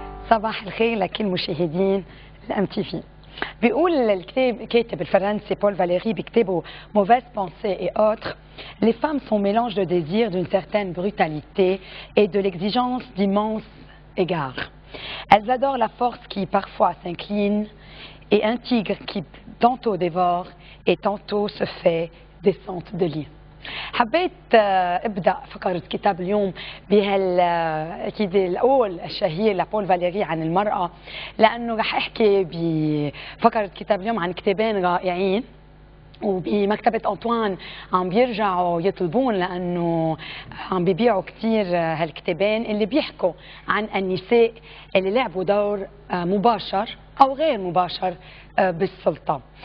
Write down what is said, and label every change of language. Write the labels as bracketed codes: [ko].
[ar] صباح الخير لكل مشاهدين الام تي في. بيقول الكتاب كاتب الفرنسي بول فاليري بكتابه موفيس بونسي اي اوتر: [fr] Les femmes sont mélange de désir d'une certaine brutalité et de l'exigence d'immenses égards. Elles adorent la force qui parfois s'incline et un tigre qui tantôt dévore et tantôt se fait descente de lit. [ar] حبيت ابدا فقره كتاب اليوم بهال اكيد الاول الشهير لبول فاليري عن المراه، لانه رح احكي بفقره كتاب اليوم عن كتابين رائعين وبمكتبه انطوان عم بيرجعوا يطلبون لانه عم بيبيعوا كثير هالكتابين اللي بيحكوا عن النساء اللي لعبوا دور مباشر او غير مباشر بالسلطه.